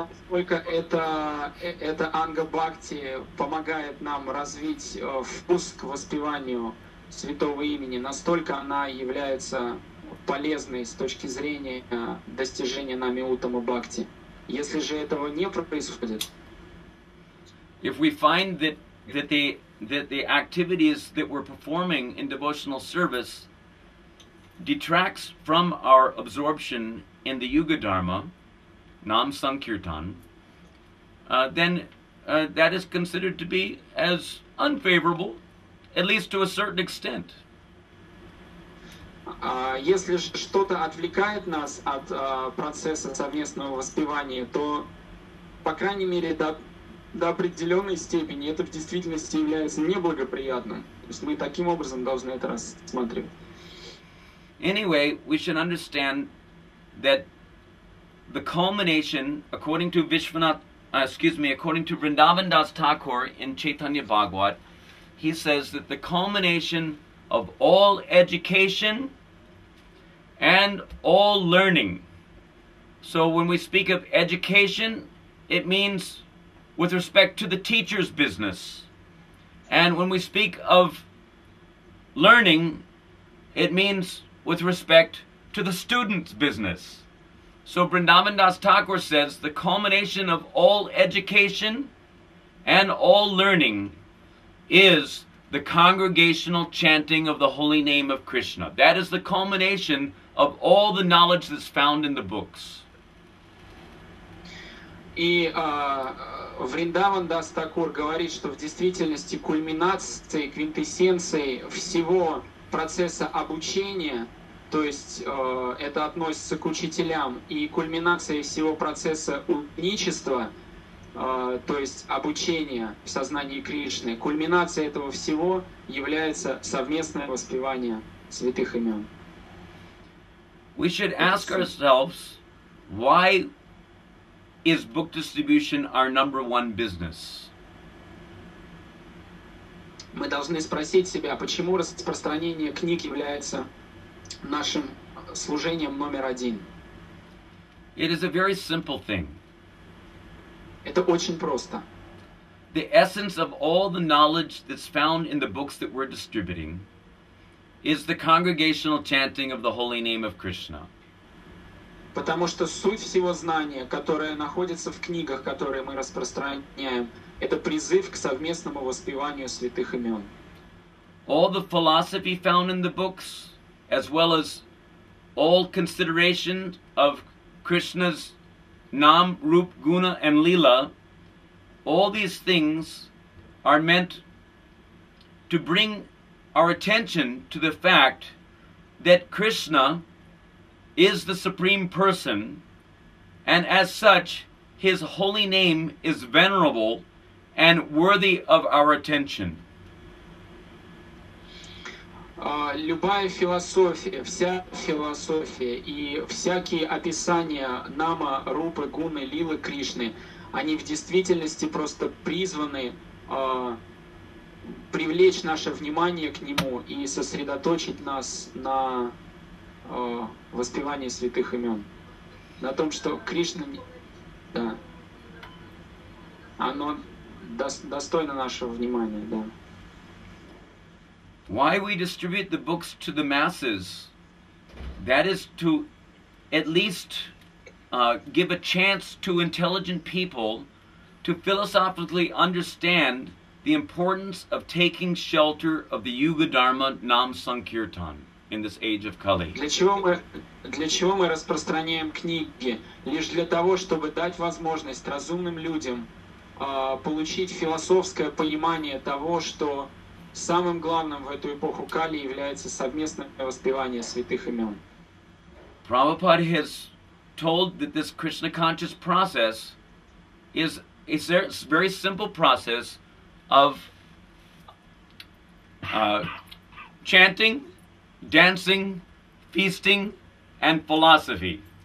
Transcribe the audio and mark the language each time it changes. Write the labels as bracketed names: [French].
[Russian] это Анга Бхакти помогает нам развить вкус к воспеванию святого имени, настолько она является полезной с точки зрения достижения нами Уттама Бхакти. Если же этого не происходит, [English] if we find that the activities that we're performing in devotional service detracts from our absorption in the Yuga Dharma, Nam Sankirtan, then that is considered to be as unfavorable, at least to a certain extent. [Russian] Если что-то отвлекает нас от процесса совместного воспевания, то, по крайней мере, до определенной степени это в действительности является неблагоприятным. То есть мы таким образом должны это рассматривать. [English] Anyway, we should understand that the culmination, according to Vrindavan Das Thakur in Chaitanya Bhagavat, he says that the culmination of all education and all learning. So when we speak of education, it means with respect to the teacher's business. And when we speak of learning, it means with respect to the student's business. So Vrindavan Das Thakur says the culmination of all education and all learning is the congregational chanting of the holy name of Krishna. That is the culmination of all the knowledge that's found in the books. [Russian] И Вриндаван Дас Такур говорит, что в действительности кульминацией, квинтэссенцией всего процесса обучения, то есть это относится к учителям, и кульминацией всего процесса ученичества, то есть обучения в сознании Кришны, кульминацией этого всего является совместное воспевание святых имен. [English] We should ask ourselves, why is book distribution our number one business? [Russian] Мы должны спросить себя, почему распространение книг является нашим служением номер один. [English] It is a very simple thing. [Russian] Это очень просто. [English] The essence of all the knowledge that's found in the books that we're distributing is the congregational chanting of the holy name of Krishna. [Russian] Потому что суть всего знания, которое находится в книгах, которые мы распространяем, это призыв к совместному воспеванию святых имен. [English] All the philosophy found in the books, as well as all consideration of Krishna's Nam, Rup, Guna, and Lila, all these things are meant to bring our attention to the fact that Krishna is the Supreme Person, and as such, His holy name is venerable and worthy of our attention. [Russian] Любая философия, вся философия и всякие описания Нама, Рупы, Гуны, Лилы, Кришны, они в действительности просто призваны привлечь наше внимание к Нему и сосредоточить нас на воспевании святых имен. На том, что Кришна, да, оно достойно нашего внимания, да. [English] Why we distribute the books to the masses, that is to at least give a chance to intelligent people to philosophically understand the importance of taking shelter of the Yuga Dharma Nam Sankirtan in this age of Kali. [Russian] Для чего мы распространяем книги? Лишь для того, чтобы дать возможность разумным людям получить философское понимание того, что самым главным в эту эпоху Кали является совместное воспевание святых имен. [English] Prabhupada has told that this Krishna conscious process is a very simple process of chanting, dancing, feasting, and philosophy.